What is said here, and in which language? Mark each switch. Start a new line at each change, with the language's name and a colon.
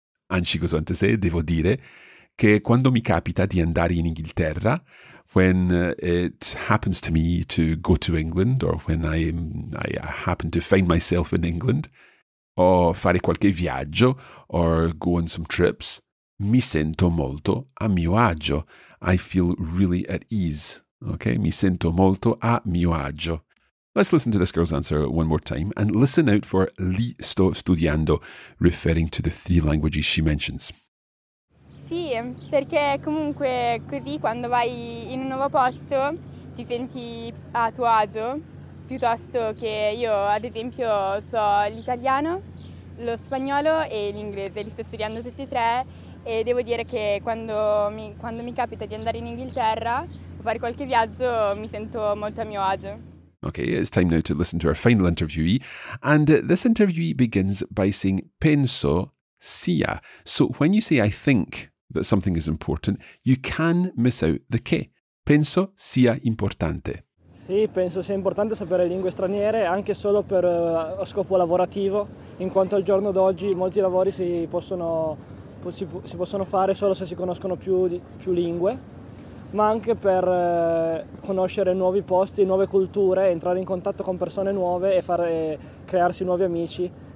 English: And she goes on to say,
Italian: devo dire che quando mi capita di andare in Inghilterra,
English: when it happens to me to go to England, or when I happen to find myself in England, or
Italian: fare qualche viaggio,
English: or go on some trips,
Italian: mi sento molto a mio agio.
English: I feel really at ease.
Italian: Okay, mi sento molto a mio agio.
English: Let's listen to this girl's answer one more time, and listen out for
Italian: li sto studiando,
English: referring to the three languages she mentions.
Italian: Sì, perché comunque così quando vai in un nuovo posto ti senti a tuo agio, piuttosto che io ad esempio so l'italiano, lo spagnolo e l'inglese, li sto studiando tutti e tre e devo dire che quando mi capita di andare in Inghilterra o fare qualche viaggio mi sento molto a mio agio.
English: Okay, it's time now to listen to our final interviewee, and this interviewee begins by saying
Italian: penso sia.
English: So when you say I think that something is important, you can miss out the che.
Italian: Penso sia importante. Sì, penso sia importante sapere lingue straniere anche solo per scopo lavorativo, in quanto al giorno d'oggi molti lavori si possono fare solo se si conoscono più lingue, ma anche per conoscere nuovi posti, nuove culture, entrare in contatto con persone nuove e crearsi nuovi amici.